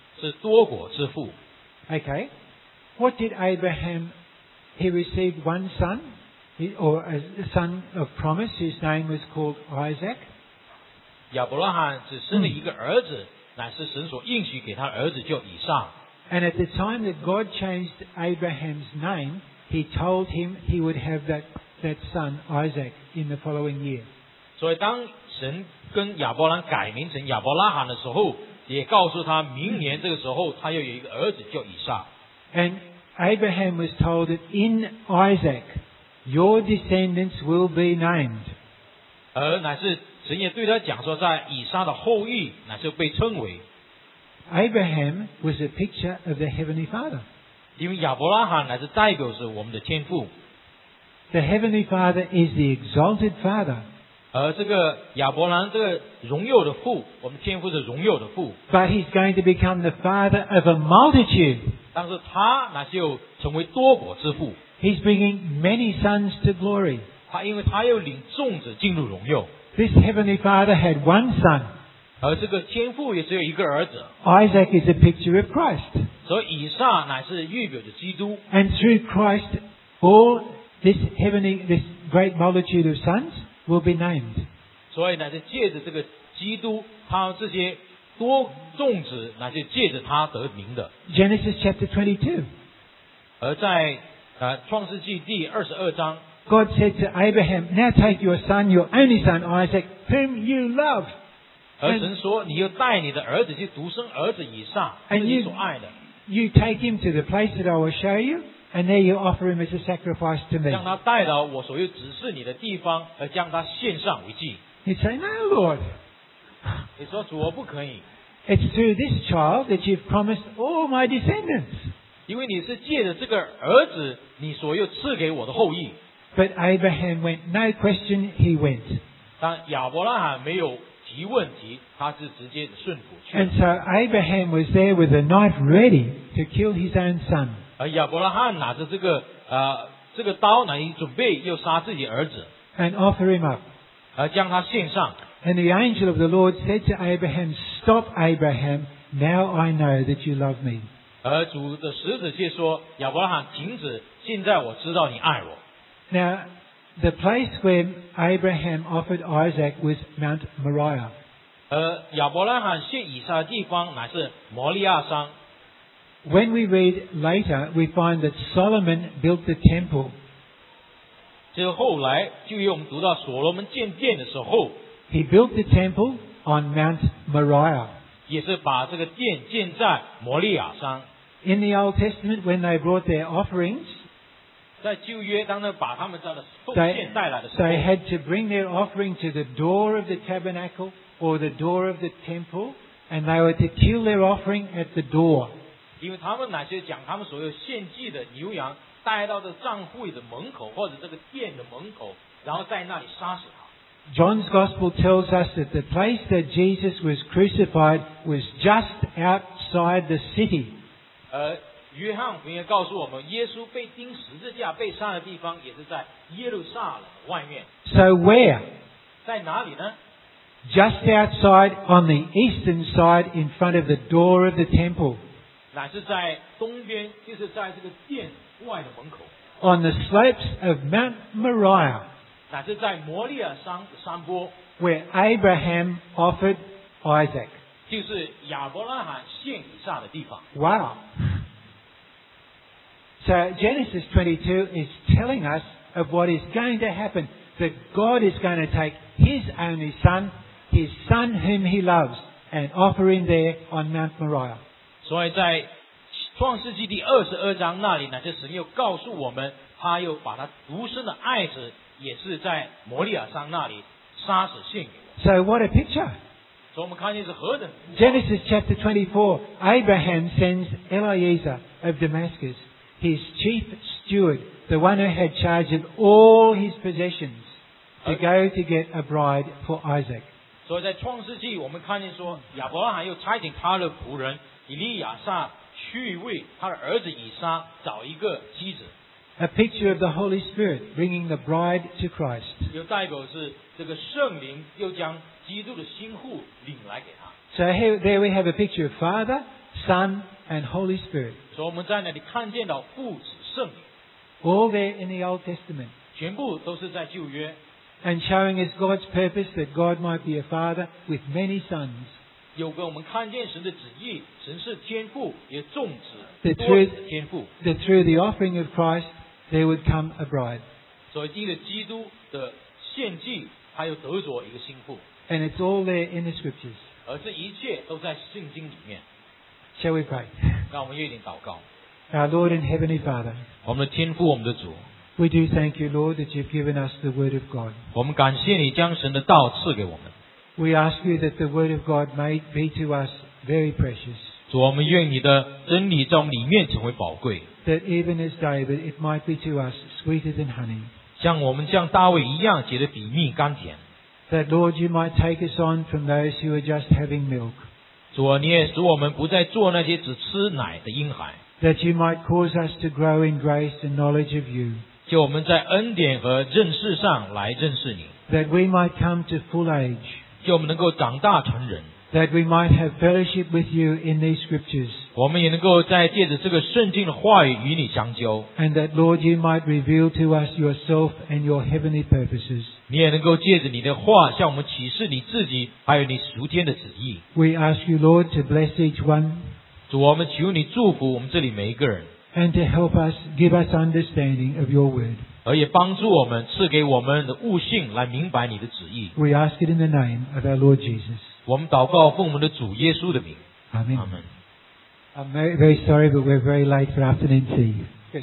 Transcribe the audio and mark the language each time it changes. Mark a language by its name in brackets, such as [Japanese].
[Chinese] 是多国之父。 [English] Okay. What did Abraham, he received one son, or a son of promise, his name was called Isaac. [Chinese] 亚伯拉罕只生了一个儿子，乃是神所应许给他儿子叫以撒。 [English] And at the time that God changed Abraham's name, he told him he would have that son, Isaac, in the following year. [Chinese] 所以当神跟亚伯兰改名成亚伯拉罕的时候，也告诉他明年这个时候他要有一个儿子叫以撒。 [English] And Abraham was told that in Isaac, your descendants will be named. [Chinese] 而乃是神也对他讲说，在以撒的后裔乃是被称为。 [English] Abraham was a picture of the Heavenly Father. [Chinese] 因为亚伯拉罕乃是代表是我们的天父。 [English] The Heavenly Father is the exalted Father. [Chinese] 而这个亚伯兰这个荣耀的父，我们天父是荣耀的父。 [English] But he's going to become the Father of a multitude. [Chinese] 但是他乃是又成为多国之父。 [English] He's bringing many sons to glory. [Chinese] 他因为他又领众子进入荣耀。 [English] This Heavenly Father had one son. [Chinese] 而这个天父也只有一个儿子。 [English] Isaac is a picture of Christ. [Chinese] 所以以撒乃是预表着基督。 [English] And through Christ, all this heavenly, this great multitude of sons will be named. [Chinese] 所以乃是借着这个基督，他这些多众子乃是借着他得名的。 [English] Genesis chapter 22. [Chinese] 而在创世纪第二十二章。 [English] God said to Abraham, "Now take your son, your only son Isaac, whom you love." [Chinese] 而神说你要带你的儿子去独生儿子以撒是你所爱的。 [English] You take him to the place that I will show you, and there you offer him as a sacrifice to me. [Chinese] 将他带到我所要指示你的地方而将他献上为祭。 [English] He said, No, Lord. [Chinese] 你说主我不可以。 [English] It's through this child that you've promised all my descendants. [Chinese] 因为你是借着这个儿子你所要赐给我的后裔。 [English] But Abraham went, no question, he went. [Chinese] 但亚伯拉罕没有疑问题，他是直接顺服去。 [English] And so Abraham was there with a knife ready to kill his own son. [Chinese] 而亚伯拉罕拿着这个刀，乃已准备要杀自己儿子。 [English] And offer him up. [Chinese] 而将他献上。 [English] And the angel of the Lord said to Abraham, "Stop, Abraham. Now I know that you love me." [Chinese] 而主的使者却说，亚伯拉罕，停止！现在我知道你爱我。 [English] Now. The place where Abraham offered Isaac was Mount Moriah. [Chinese] 亚伯拉罕献以撒的地方乃是摩利亚山。 [English] When we read later, we find that Solomon built the temple. [Chinese] 这后来就用我们读到所罗门建殿的时候。 [English] He built the temple on Mount Moriah. [Chinese] 也是把这个殿建在摩利亚山。 [English] In the Old Testament, when they brought their offerings, [Chinese] 在旧约当中把他们的奉献带来的时候 [English] they had to bring their offering to the door of the tabernacle or the door of the temple and they were to kill their offering at the door [Chinese] 因为他们乃是将他们所有献祭的牛羊带到的帐会的门口或者这个殿的门口然后在那里杀死他 [English] John's Gospel tells us that the place that Jesus was crucified was just outside the city [Chinese] 约翰福音告诉我们，耶稣被钉十字架被杀的地方也是在耶路撒冷外面。 [English] So where? [Chinese] 在哪里呢 [English] ？Just outside on the eastern side, in front of the door of the temple. [Chinese] 乃是在东边，就是在这个殿外的门口。 [English] On the slopes of Mount Moriah. [Chinese] 乃是在摩利亚山的山坡。 [English] Where Abraham offered Isaac. [Chinese] 就是亚伯拉罕献以撒的地方。 [English] Wow. So Genesis 22 is telling us of what is going to happen, that God is going to take His only Son, His Son whom He loves, and offer Him there on Mount Moriah. [Chinese] 所以在创世纪第二十二章那里呢，就神又告诉我们，他又把他独生的爱子也是在摩利亚山那里杀死献给我。 [English] So what a picture! [Chinese] 所以我们看见是何等。 [English] Genesis chapter 24, Abraham sends Eliezer of Damascus. His chief steward, the one who had charge of all his possessions, to go to get a bride for Isaac. [Chinese] 所以在创世纪，我们看见说亚伯拉罕又差遣他的仆人以利亚撒去为他的儿子以撒找一个妻子。 [English] A picture of the Holy Spirit bringing the bride to Christ. [Chinese] 又代表是这个圣灵又将基督的心腹领来给他。 [English] So here, there we have a picture of Father, Son, and Holy Spirit. [Chinese] 所以我们在那里看见到父子圣灵。 [English] All there in the Old Testament. [Chinese] 全部都是在旧约。 [English] And showing us God's purpose that God might be a father with many sons. [Chinese] 有给我们看见神的旨意，神是天父，也众子，多子天父。 [English] That through the offering of Christ, there would come a bride. [Chinese] 所以因着基督的献祭，还有得着一个心腹。 [English] And it's all there in the scriptures. [Chinese] 而这一切都在圣经里面。 [English] Shall we pray? [Chinese] 让我们一起祷告。 [English] Our Lord and Heavenly Father. [Chinese] 我们的天父，我们的主。 [English] We do thank you, Lord, that you've given us the Word of God. [Chinese] 我们感谢你将神的道赐给我们。 [English] We ask you that the Word of God may be to us very precious. [Chinese] 主，我们愿你的真理在我们里面成为宝贵。 [English] That even as David, it might be to us sweeter than honey. [Chinese] 像我们像大卫一样，觉得比蜜甘甜。 [English] That Lord, you might take us on from those who are just having milk. [Chinese] 主，你也使我们不再做那些只吃奶的婴孩。 [English] That you might cause us to grow in grace and knowledge of you. [Chinese] 就我们在恩典和认识上来认识你 [English] that we might come to full age [Chinese] 就我们能够长大成人 [English] that we might have fellowship with you in these scriptures [Chinese] 我们也能够在借着这个圣经的话语与你相交 [English] and that Lord you might reveal to us yourself and your heavenly purposes [Chinese] 你也能够借着你的话向我们启示你自己还有你属天的旨意 [English] we ask you Lord to bless each one [Chinese] 主我们求你祝福我们这里每一个人 [English] And to help us, give us understanding of your word. [Chinese] 而也帮助我们，赐给我们的悟性，来明白你的旨意。 [English] We ask it in the name of our Lord Jesus. [Chinese] 我们祷告奉我们的主耶稣的名。 [English] Amen. Amen. I'm very, very sorry, but we're very late for afternoon tea.